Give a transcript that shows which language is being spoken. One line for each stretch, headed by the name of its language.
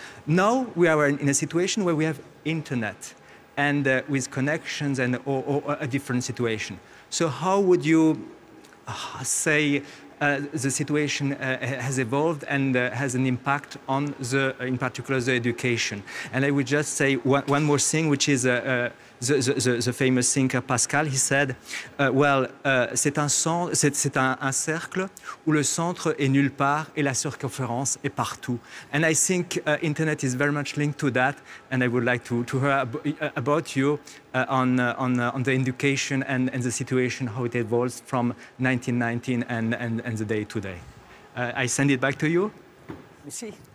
English: Now we are in a situation where we have internet and with connections and or a different situation. So how would you say the situation has evolved and has an impact on the, in particular, the education? And I would just say one more thing, which is the famous thinker Pascal. He said,
French: c'est un cercle où le centre est nulle part et la circonférence est partout.
English: And I think internet is very much linked to that, and I would like to hear about you on the education and the situation, how it evolves from 1919 and the day today. I send it back to you. We see.